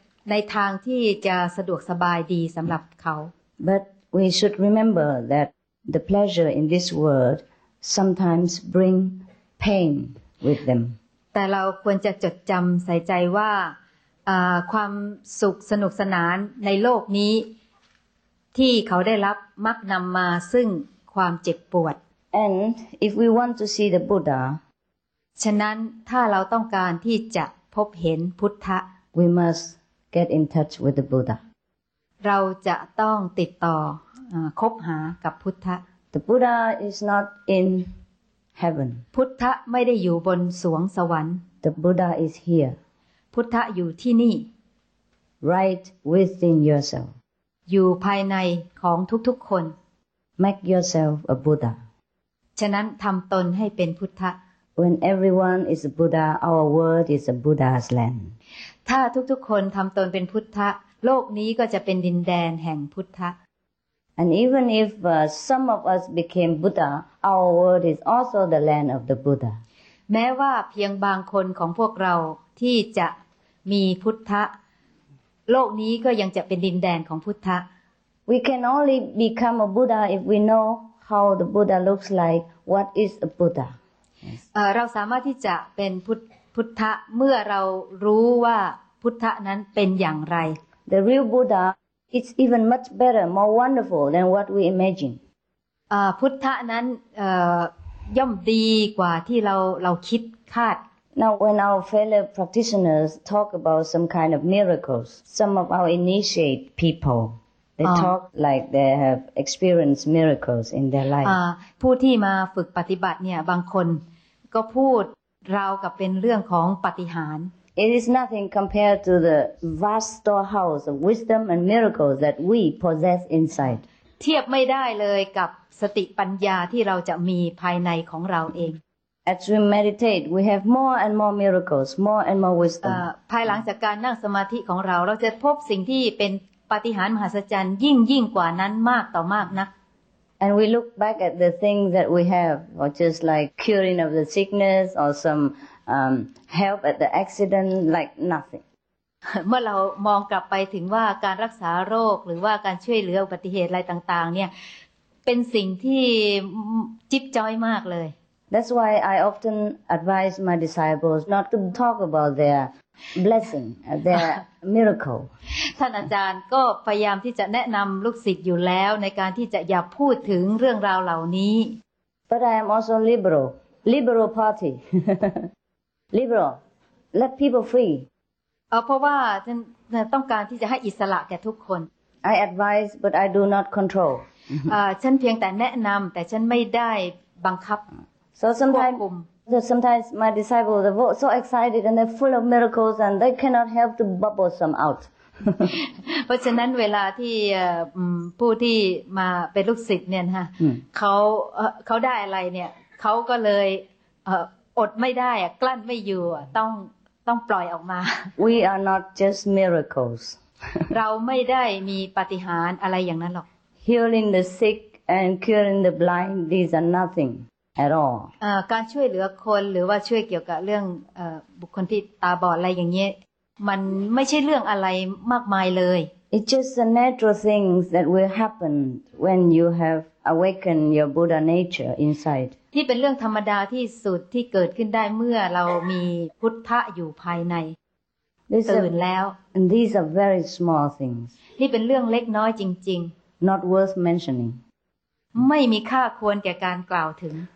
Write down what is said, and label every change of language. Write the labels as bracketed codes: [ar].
[th] ในทางที่จะสะดวกสบายดีสำหรับเขา [en] But we should remember that the pleasure in this world sometimes bring pain with them. [th] แต่เราควรจะจดจำใส่ใจว่าความสุขสนุกสนานในโลกนี้ที่เขาได้รับมักนำมาซึ่งความเจ็บปวด [en] And if we want to see the Buddha [th] ฉะนั้นถ้าเราต้องการที่จะพบเห็นพุทธะ [en] We must get in touch with the Buddha [th] เราจะต้องติดต่อคบหากับพุทธะ [en] The Buddha is not inHeaven. [th] พุทธะไม่ได้อยู่บนสวงสวรรค์ [en] The Buddha is here. [th] พุทธะอยู่ที่นี่ [en] Right within yourself. [th] อยู่ภายในของทุกๆคน [en] Make yourself a Buddha. [th] ฉะนั้นทำตนให้เป็นพุทธะ [en] When everyone is a Buddha, our world is a Buddha's land. [th] ถ้าทุกๆคนทำตนเป็นพุทธะโลกนี้ก็จะเป็นดินแดนแห่งพุทธะ [en] And even if some of us became Buddha, our world is also the land of the Buddha. [th] แม้ว่าเพียงบางคนของพวกเราที่จะมีพุทธะโลกนี้ก็ยังจะเป็นดินแดนของพุทธะ [en] We can only become a Buddha if we know how the Buddha looks like, what is a Buddha. [th] เราสามารถที่จะเป็นพุทธะเมื่อเรารู้ว่าพุทธะนั้นเป็นอย่างไร [en] The real BuddhaIt's even much better, more wonderful than what we imagine. [th] พุทธะนั้นย่อมดีกว่าที่เราคิดคาด [en] Now, when our fellow practitioners talk about some kind of miracles, some of our initiate people, They talk like they have experienced miracles in their life. [th] ผู้ที่มาฝึกปฏิบัติเนี่ยบางคนก็พูดราวกับเป็นเรื่องของปาฏิหาริ [en] ย์ It is nothing compared to the vast storehouse of wisdom and miracles that we possess inside. [th] เทียบไม่ได้เลยกับสติปัญญาที่เราจะมีภายในของเราเอง [en] As we meditate, we have more and more miracles, more and more wisdom. [th] ภายหลังจากการนั่งสมาธิของเราเราจะพบสิ่งที่เป็นปาฏิหาริย์มหัศจรรย์ยิ่งกว่านั้นมากต่อมากนัก [en] And we look back at the things that we have, or just like curing of the sickness, or some help at the accident, like nothing. [th] เมื่อเรามองกลับไปถึงว่าการรักษาโรคหรือว่าการช่วยเหลืออุบัติเหตุอะไรต่างๆเนี่ยเป็นสิ่งที่จิ๊บจ้อยมากเลย [en] That's why I often advise my disciples not to talk about their blessing, their miracle. [th] ท่านอาจารย์ก็พยายามที่จะแนะนำลูกศิษย์อยู่แล้วในการที่จะอย่าพูดถึงเรื่องราวเหล่านี้ [en] But I am also liberal, liberal party, liberal, let people free. [th] เพราะว่าท่านต้องการที่จะให้อิสระแก่ทุกคน [en] I advise, but I do not control. [th] ฉันเพียงแต่แนะนำแต่ฉันไม่ได้บังคับ [en] So sometimes my disciples are so excited and they're full of miracles and they cannot help to bubble some out. [th] เพราะฉะนั้นเวลาที่ผู้ที่มาเป็นลูกศิษย์เนี่ยฮะเขาได้อะไรเนี่ยเขาก็เลยอดไม่ได้อะกลั้นไม่อยู่ต้องปล่อยออกมา [en] We are not just miracles. [th] เราไม่ได้มีปาฏิหาริย์อะไรอย่างนั้นหรอก [en] Healing the sick and curing the blind these are nothing. At all. [th] การช่วยเหลือคนหรือว่าช่วยเกี่ยวกับเรื่องบุคคลที่ตาบอดอะไรอย่างเงี้ยมันไม่ใช่เรื่องอะไรมากมายเลย [en] It's just the natural things that will happen when you have awakened your Buddha nature inside. [th] ที่เป็นเรื่องธรรมดาที่สุดที่เกิดขึ้นได้เมื่อเรามีพุทธะอยู่ภายในตื่นแล้ว [en] And these are very small things. [th] นี่เป็นเรื่องเล็กน้อยจริง [en] ๆ Not worth mentioning. [th] ไม่มีค่าควรแก่การกล่าวถึง